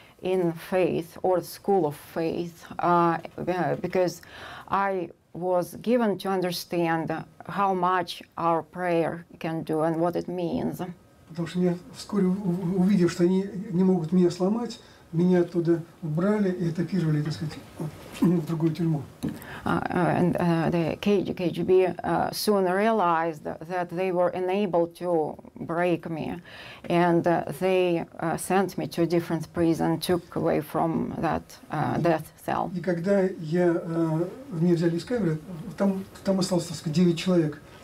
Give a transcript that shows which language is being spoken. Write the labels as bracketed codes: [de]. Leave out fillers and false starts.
[en] in faith or school of faith, because I was given to understand how much our prayer can do and what it means. [ru] Потому что я вскоре увидел, что они не могут меня сломать, меня оттуда убрали и этапировали, так сказать, в другую тюрьму. [en] And the KGB soon realized that they were unable to break me, and they sent me to a different prison, took away from that death cell. [ru] И когда я мне взяли из камеры, там осталось, так сказать, 9 человек.